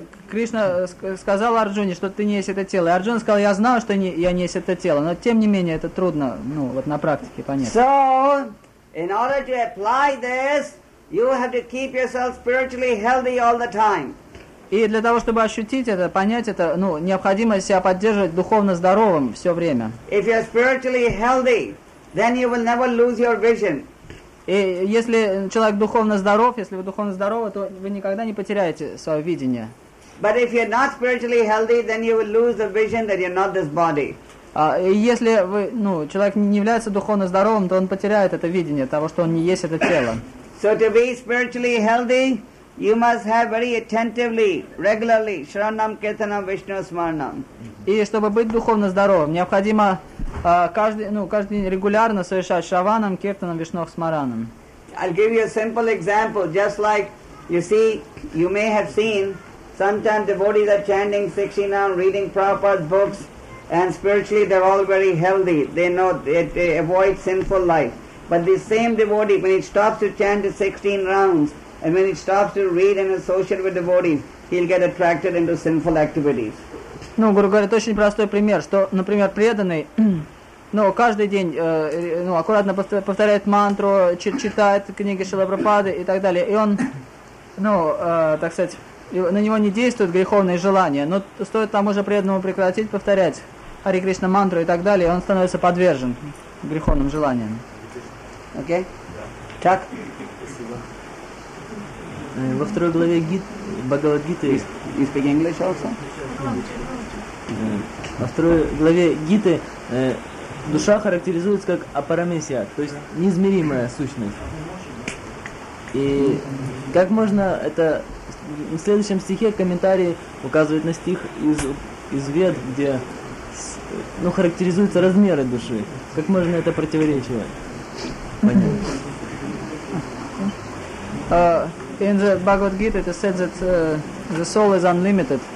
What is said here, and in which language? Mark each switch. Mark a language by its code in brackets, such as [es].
[ru] Кришна сказал Арджуне, что ты не есть это тело. И Арджуна сказал, я знаю, что я не есть это тело. Но тем не менее, это трудно, ну, вот на практике понять. [en] So, in order to apply this, you have to keep yourself spiritually healthy all the time. [ru] И для того, чтобы ощутить это, понять это, ну, необходимо себя поддерживать духовно здоровым все время. [en] If you're spiritually healthy, then you will never lose your vision. [ru] И если человек духовно здоров, если вы духовно здоровы, то вы никогда не потеряете свое видение. [en] But if you're not spiritually healthy, then you will lose the vision that you're not this body. [ru] Если вы, ну, человек не является духовно здоровым, то он потеряет это видение того, что он не есть это тело. [en] So to be spiritually healthy, you must have very attentively, regularly, Sharanam Kirtanam Vishnu Smaranam. [ru] И чтобы быть духовно здоровым, необходимо каждый день регулярно совершать Шраванам, Киртанам, Вишнох Смаранам. [en] I'll give you a simple example, just like you see, you may have seen, sometimes devotees are chanting 69, reading Prabhupada's books, and spiritually they're all very healthy. They know they avoid sinful life. But the same devotee, when he stops to chant the 16 rounds, and when he stops to read and associate with devotees, he'll get attracted into sinful activities. [ru] Ну, грубо говоря, это очень простой пример, что, например, преданный, ну, каждый день, ну, аккуратно повторяет мантру, читает книги Шрилы Прабхупады и так далее, и он, ну, так сказать, на него не действуют греховные желания, но стоит тому же преданному прекратить повторять Хари Кришна мантру и так далее, и он становится подвержен греховным желаниям. Окей? Так. Во второй главе Бхагавад-гиты... [en] You speak English also? [ru] Во второй главе Гиты душа характеризуется как апарамесия, то есть неизмеримая сущность. И как можно это... В следующем стихе комментарий указывает на стих из Вед, где характеризуются размеры души. Как можно это противоречиво понять? [en] In the Bhagavad Gita it is said that the soul is unlimited.